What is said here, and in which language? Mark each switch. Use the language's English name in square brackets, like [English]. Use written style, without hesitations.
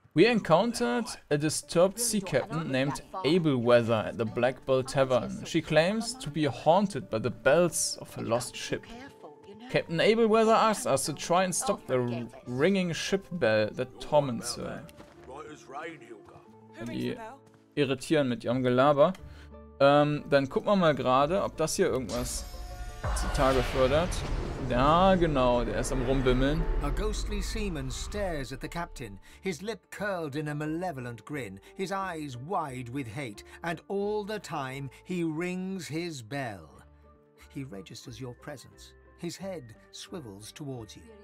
[English] We encountered a disturbed sea captain named Ableweather at the Black Bull Tavern. She claims to be haunted by the bells of her lost ship. Captain Ableweather asks us to try and stop the ringing ship bell that torments her. [German] Die irritieren mit ihrem Gelaber. Dann gucken wir mal gerade, ob das hier irgendwas zutage fördert. Ja, genau, der ist am Rumbimmeln. [English] A ghostly seaman stares at the captain, his lip curled in a malevolent grin, his eyes wide with hate, and all the time he rings his bell. He registers your presence. His head swivels towards you.